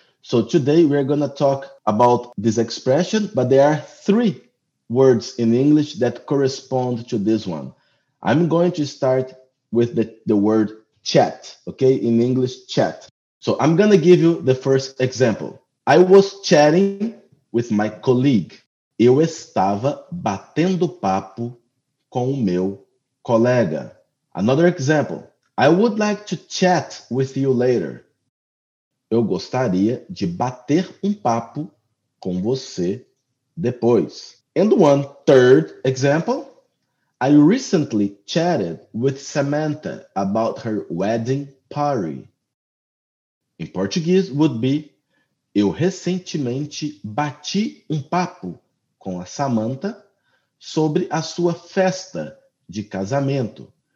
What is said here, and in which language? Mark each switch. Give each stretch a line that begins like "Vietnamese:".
English: So today we're going to talk about this expression, but there are three words in English that correspond to this one. I'm going to start with the word chat, okay? In English, chat. So I'm going to give you the first example. I was chatting with my colleague.
Portuguese: Eu estava batendo papo com o meu colega.
English: Another example. I would like to chat with you later.
Portuguese: Eu gostaria de bater papo com você depois.
English: And one third example. I recently chatted with Samantha about her wedding party. In Portuguese would be
Portuguese: eu recentemente bati papo com a Samantha sobre a sua festa de casamento.